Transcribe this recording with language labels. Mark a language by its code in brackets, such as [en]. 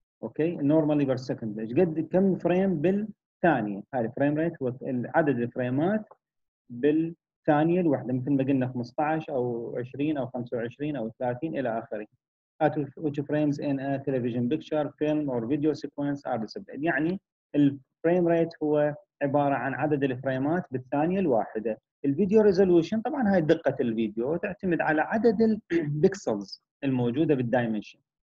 [ar] اوكي نورمالي بير سكند، ايش قد كم فريم بالثانيه؟ هذا الفريم ريت هو عدد الفريمات بالثانيه الواحده، مثل ما قلنا 15 او 20 او 25 او 30 الى اخره. [en] At which frames in a television picture, film or video sequence are displayed. [ar] يعني الفريم ريت هو عبارة عن عدد الفريمات بالثانية الواحدة. الفيديو ريزولوشن طبعا هاي دقة الفيديو، تعتمد على عدد البكسلز الموجودة بالدايمنشن.